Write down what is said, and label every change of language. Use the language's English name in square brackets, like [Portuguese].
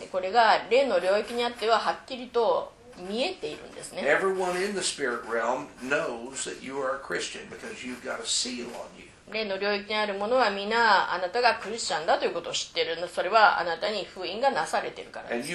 [Japanese] これが霊の領域にあってははっきりと見えているんですね。 [English] Everyone in the spirit realm knows that you are a Christian because you've got a seal on you. [Japanese] 霊の領域にあるものはみんなあなたがクリスチャンだということを知っているの。それはあなたに封印がなされているからです。